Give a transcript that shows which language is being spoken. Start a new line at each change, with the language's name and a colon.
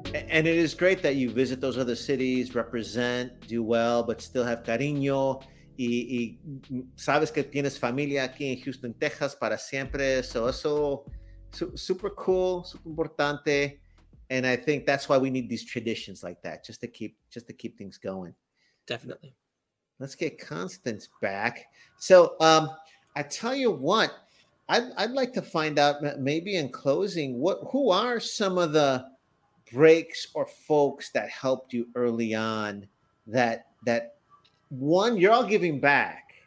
English: And it is great that you visit those other cities, represent, do well, but still have cariño.
Spanish: Y sabes que tienes familia aquí en Houston, Texas, para siempre. So eso,
English: super cool,
Spanish: super importante.
English: And I think that's why we need these traditions like that, just to keep things going. Definitely. Let's get Constance back. So I tell you what, I'd like to find out, maybe in closing, who are some of the breaks or folks that helped you early on that one, you're all giving back.